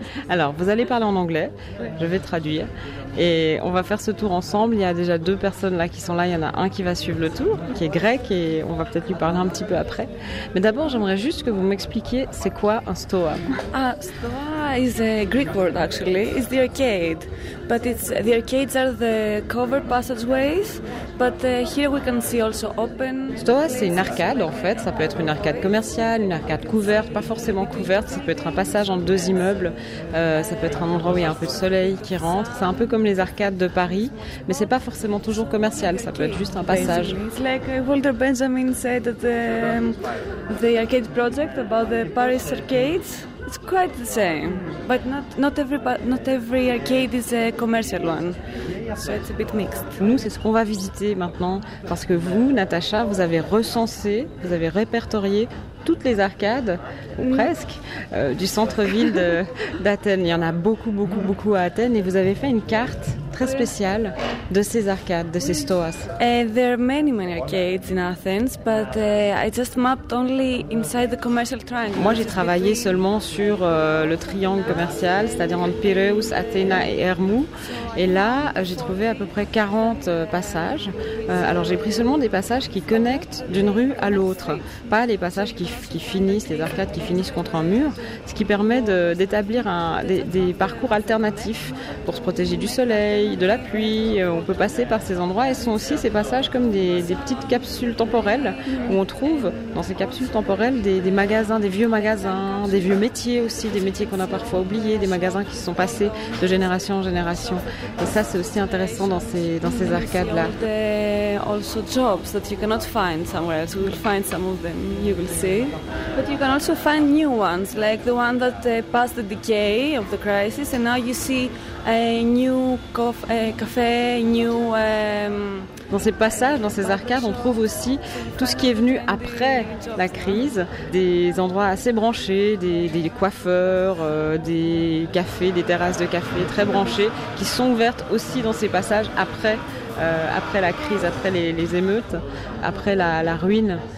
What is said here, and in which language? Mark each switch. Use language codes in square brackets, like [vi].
[fr] Alors vous allez parler en anglais, ouais. Je vais traduire. Et on va faire ce tour ensemble. Il y a déjà deux personnes là qui sont là. Il y en a un qui va suivre le tour, qui est grec, et on va peut-être lui parler un petit peu après. Mais d'abord, j'aimerais juste que vous m'expliquiez c'est quoi un stoa. [en] Ah, stoa is a Greek word actually. It's the arcade, but the arcades are the covered passageways. But here we can see also open. [fr] Stoa, c'est une arcade en fait. Ça peut être une arcade commerciale, une arcade couverte, pas forcément couverte. Ça peut être un passage entre deux immeubles. Ça peut être un endroit où il y a un peu de soleil qui rentre. C'est un peu comme les arcades de Paris, mais c'est pas forcément toujours commercial, ça peut être juste un passage. [en] It's like Walter Benjamin said that the arcade project about the Paris arcades, it's quite the same, but not every arcade is a commercial one. So it's a bit mixed. [fr] Nous, c'est ce qu'on va visiter maintenant, parce que vous, Natacha, vous avez recensé, vous avez répertorié toutes les arcades, ou presque, du centre-ville d'Athènes. Il y en a beaucoup, beaucoup, beaucoup à Athènes, et vous avez fait une carte très spéciale de ces arcades, de ces stoas. [en] There are many, many arcades in Athens, but I just mapped only inside the commercial triangle. [fr] Moi, j'ai travaillé seulement sur le triangle commercial, c'est-à-dire entre Piraeus, Athéna et Hermou. Et là, j'ai trouvé à peu près 40 passages. Alors, j'ai pris seulement des passages qui connectent d'une rue à l'autre, pas les passages qui finissent, les arcades qui finissent contre un mur, ce qui permet d'établir des parcours alternatifs pour se protéger du soleil, de la pluie. On peut passer par ces endroits. Et ce sont aussi ces passages comme des petites capsules temporelles où on trouve dans ces capsules temporelles des magasins, des vieux magasins, des vieux métiers aussi, des métiers qu'on a parfois oubliés, des magasins qui se sont passés de génération en génération. Et ça, c'est aussi intéressant dans ces arcades-là. [en] Also jobs that you cannot find somewhere else. We will find some of them, you will see. But you can also find new ones, like the one that passed the decay of the crisis, and now you see a new cafe, new... [fr] Dans ces passages, dans ces arcades, on trouve aussi tout ce qui est venu après la crise, des endroits assez branchés, des coiffeurs, des cafés, des terrasses de café très branchées, qui sont ouvertes aussi dans ces passages après la crise, après les émeutes, après la ruine.